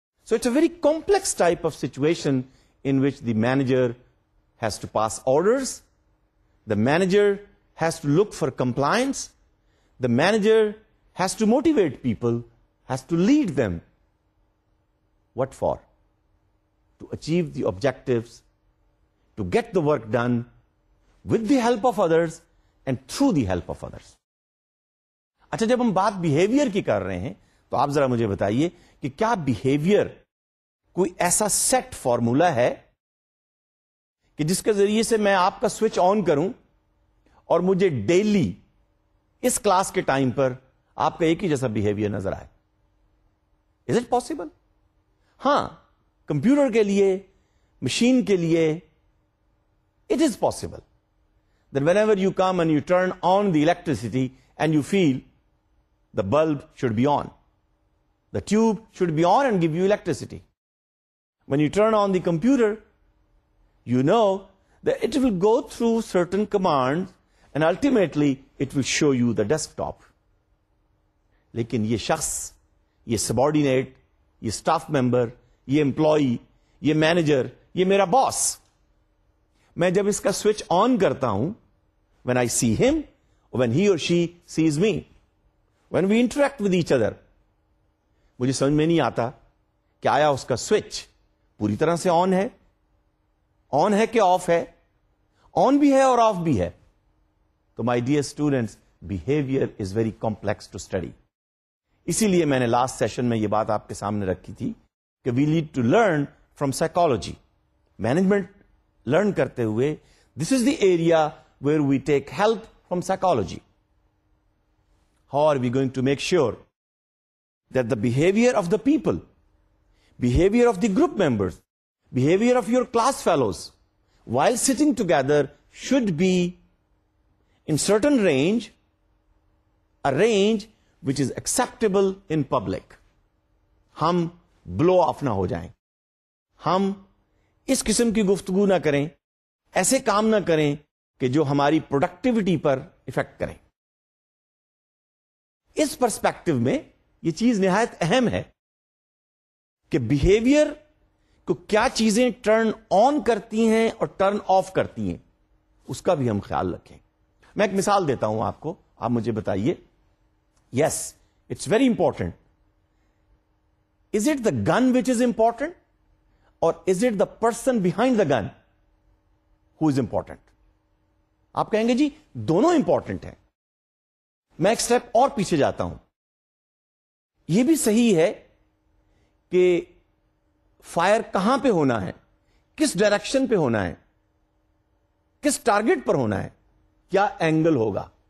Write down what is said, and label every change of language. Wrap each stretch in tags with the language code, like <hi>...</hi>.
<en>So it's a very complex type of situation in which the manager has to pass orders, the manager has to look for compliance, the manager has to motivate people, has to lead them. What for? To achieve the objectives, to get the work done with the help of others, and through the help of others.</en> <ur>اچھا جب ہم بات behaviour کی کر رہے ہیں تو آپ ذرا مجھے بتائیے کہ کیا بہیویئر کوئی ایسا سیٹ فارمولا ہے کہ جس کے ذریعے سے میں آپ کا سوئچ آن کروں اور مجھے ڈیلی اس کلاس کے ٹائم پر آپ کا ایک ہی جیسا بہیویئر نظر آئے؟</ur> <en>Is it possible?</en> <ur>ہاں, کمپیوٹر کے لیے, مشین کے لیے</ur> <en>It is possible. Then whenever you come and you turn on the electricity and you feel the bulb should be on, the tube should be on and give you electricity. When you turn on the computer, you know that it will go through certain commands and ultimately it will show you the desktop.</en> <ur>لیکن یہ شخص, یہ subordinate, یہ staff member, یہ employee, یہ manager, یہ میرا باس, میں جب اس کا سوئچ آن کرتا ہوں,</ur> <en>when I see him, when he or she sees me, when we interact with each other,</en> <ur>مجھے سمجھ میں نہیں آتا کہ آیا اس کا سوئچ پوری طرح سے آن ہے, آن ہے کہ آف ہے, آن بھی ہے اور آف بھی ہے.</ur> <en>تو my dear students, behavior is very complex to study.</en> <ur>اسی لیے میں نے لاسٹ سیشن میں یہ بات آپ کے سامنے رکھی تھی کہ</ur> <en>we need to learn from psychology,</en> <ur>management learn کرتے ہوئے,</ur> <en>This is the area where we take help from psychology. How are we going to make sure that the behaviour of the people, behaviour of the group members, behaviour of your class fellows while sitting together should be in certain range, a range which is acceptable in public.</en> <ur>ہم</ur> <en>blow off</en> <ur>نہ ہو جائیں, ہم اس قسم کی گفتگو نہ کریں, ایسے کام نہ کریں کہ جو ہماری پروڈکٹیوٹی پر افیکٹ کریں. اس پرسپیکٹو میں یہ چیز نہایت اہم ہے کہ بہیویئر کو کیا چیزیں ٹرن آن کرتی ہیں اور ٹرن آف کرتی ہیں, اس کا بھی ہم خیال رکھیں. میں ایک مثال دیتا ہوں آپ کو, آپ مجھے بتائیے.</ur> <en>Yes, it's very important. Is it the gun which is important? Or is it the person behind the gun who is important?</en> <ur>آپ کہیں گے جی دونوں important ہیں. میں ایک step اور پیچھے جاتا ہوں. یہ بھی صحیح ہے کہ fire کہاں پہ ہونا ہے, کس direction پہ ہونا ہے, کس target پر ہونا ہے, کیا angle ہوگا.</ur>